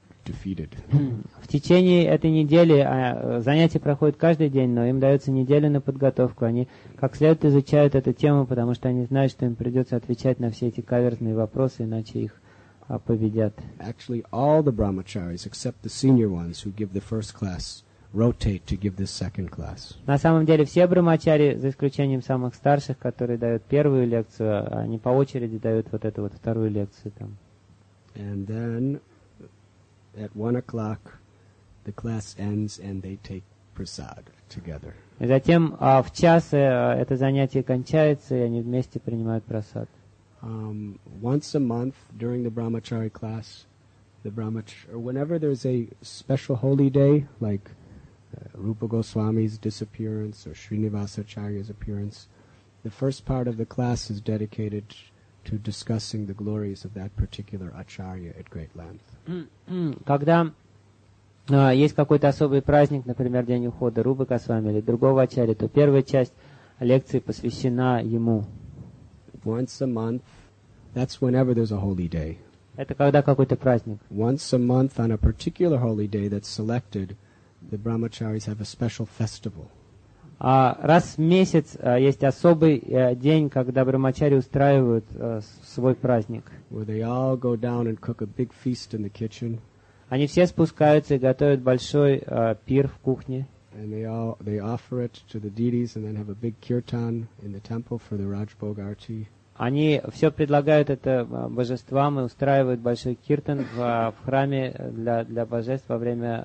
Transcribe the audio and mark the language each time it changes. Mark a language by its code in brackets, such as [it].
[en] defeated. [ru] В течение этой недели занятия проходят каждый день, но им дается неделя на подготовку. Они как следует изучают эту тему, потому что они знают, что им придется отвечать на все эти каверзные вопросы, иначе их победят. [en] Actually, all the brahmacharis, except the senior ones who give the first class, rotate to give the second class. [ru] На самом деле все брахмачари, за исключением самых старших, которые дают первую лекцию, они по очереди дают вот эту вот вторую лекцию там. [en] And then at 1 o'clock the class ends and they take prasad together. [ru] И затем в час это занятие кончается, и они вместе принимают прасад. [en] Once a month during the brahmachari class, whenever there's a special holy day, like Rupa Goswami's disappearance or Srinivasa Acharya's appearance, the first part of the class is dedicated to discussing the glories of that particular Acharya at great length. [ru] Когда есть какой-то особый праздник, например, день ухода Рупы Госвами или другого Ачарьи, то первая часть лекции посвящена ему. [en] Once a month, that's whenever there's a holy day. [ru] Это когда какой-то праздник. [en] Once a month on a particular holy day that's selected, the brahmacharis have a special festival. [ru] Раз в месяц есть особый день, когда брахмачари устраивают свой праздник. [en] Where they all go down and cook a big feast in the kitchen. [ru] Они все спускаются и готовят большой пир в кухне. [en] And they offer it to the deities and then have a big kirtan in the temple for the Rajbhogarti. [ru] Они все предлагают это божествам и устраивают большой киртан в храме для божеств во время